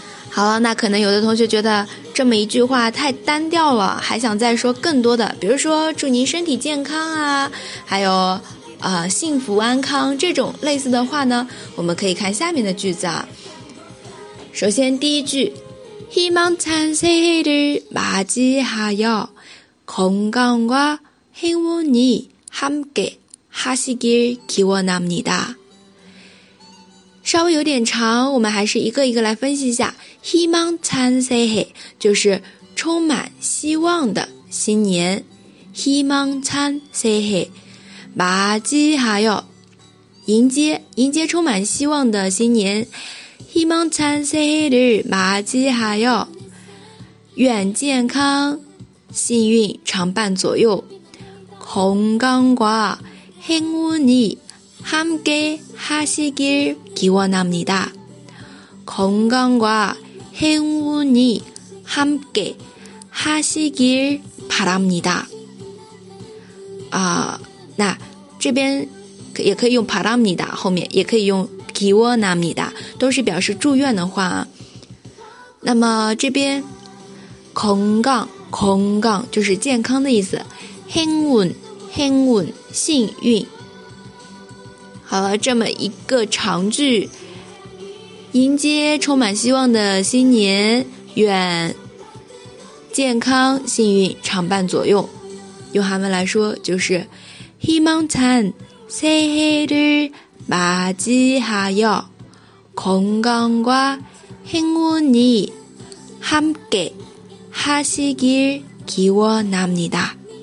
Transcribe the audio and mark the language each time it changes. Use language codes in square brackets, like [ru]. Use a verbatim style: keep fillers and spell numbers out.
[zh] 好了，那可能有的同学觉得这么一句话太单调了，还想再说更多的，比如说祝您身体健康啊，还有呃幸福安康这种类似的话呢，我们可以看下面的句子啊。首先第一句， [ko] 희망찬새해를맞이하여 건강과 행운이 함께 하시길 기원합니다。 [zh] 稍微有点长，我们还是一个一个来分析一下。 [ko] 希望찬새해 [zh] 就是充满希望的新年。 [ko] 希望찬새해 맞이하여 [zh] 迎接，迎接充满希望的新年。 [ko] 希望찬새해를 맞이하여 [zh] 愿健康、幸运常伴左右。 [ko] 건강과 행운이함께하시길기원합니다。 건강과 행운이 함께하시길 바랍니다。 [zh] 啊、呃，那这边也可以用 [ko] 바랍니다， [zh] 后面也可以用 [ko] 기원합니다， [zh] 都是表示祝愿的话、啊。那么这边 [ko] 건강 건강 [zh] 就是健康的意思， [ko] 행운 행운 [zh] 幸运。好了，这么一个长句，迎接充满希望的新年，愿健康幸运常伴左右。用韩文来说就是 [ko] 希望찬 새해를 맞이하여 건강과 행운이 함께 하시길 기원합니다。